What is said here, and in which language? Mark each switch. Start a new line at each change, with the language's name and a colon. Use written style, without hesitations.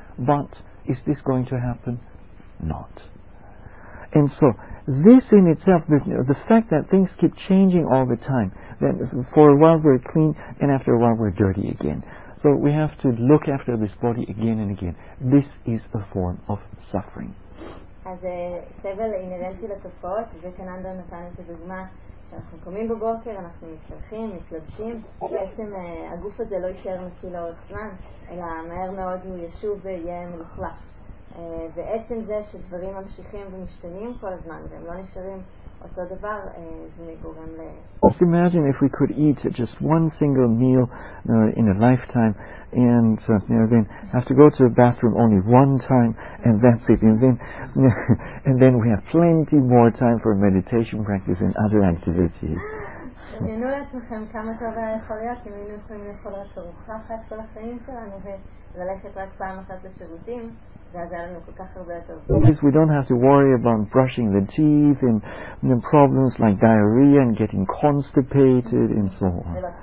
English: But is this going to happen? Not. And so this in itself, the fact that things keep changing all the time, that for a while we're clean and after a while we're dirty again. So we have to look after this body again and again. This is a form of suffering.
Hebrew: אז סבל אינרנטי לתופעות, וקננדה נתן את הדוגמה שאנחנו קומים בבוקר, אנחנו מתחלחים, מתלבשים, בעצם הגוף הזה לא יישאר נקי לאורך זמן, אלא מהר מאוד הוא ישוב ויהיה מלוכלך. ועצם זה שדברים ממשיכים ומשתנים כל הזמן והם לא נשארים אותו דבר, זה גורם ל...
English: Just imagine if we could eat just one single meal in a lifetime and then have to go to the bathroom only one time and that's it, and then and then we have plenty more time for meditation practice and other activities.
Hebrew: דמיינו לעצמכם כמה טוב היה יכול להיות אם היינו יכולים לאכול רק ארוחה אחת כל החיים שלנו וללכת רק פעם אחת לשירותים.
English: Because we don't have to worry about brushing the teeth and problems like diarrhea and getting constipated and so on.